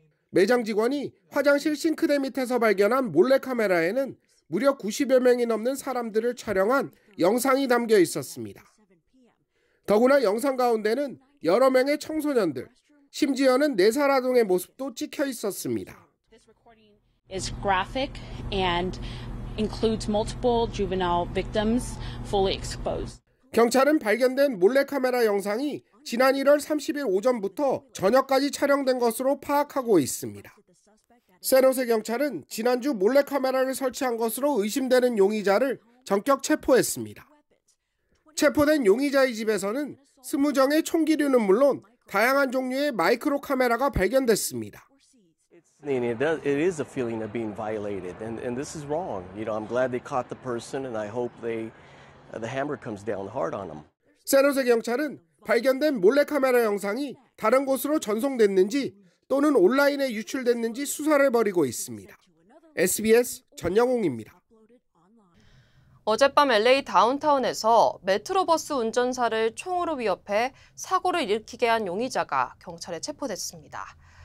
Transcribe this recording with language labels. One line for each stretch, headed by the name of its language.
Korean: 매장 직원이 화장실 싱크대 밑에서 발견한 몰래 카메라에는 무려 90여 명이 넘는 사람들을 촬영한 영상이 담겨 있었습니다. 더구나 영상 가운데는 여러 명의 청소년들, 심지어는 4살 아동의 모습도 찍혀 있었습니다.
English: It's graphic and includes multiple juvenile victims fully exposed.
Korean: 경찰은 발견된 몰래 카메라 영상이 지난 1월 30일 오전부터 저녁까지 촬영된 것으로 파악하고 있습니다. 세노세 경찰은 지난주 몰래카메라를 설치한 것으로 의심되는 용의자를 전격 체포했습니다. 체포된 용의자의 집에서는 20정의 총기류는 물론 다양한 종류의 마이크로 카메라가 발견됐습니다.
English: It is a feeling of being violated and this is wrong. You know, I'm glad they caught the person and I hope the hammer comes down hard on them.
Korean: 세노세 경찰은 발견된 몰래카메라 영상이 다른 곳으로 전송됐는지 또는 온라인에 유출됐는지 수사를 벌이고 있습니다. SBS 전영웅입니다. 어젯밤 LA 다운타운에서 메트로버스 운전사를 총으로 위협해 사고를 일으키게 한 용의자가 경찰에 체포됐습니다.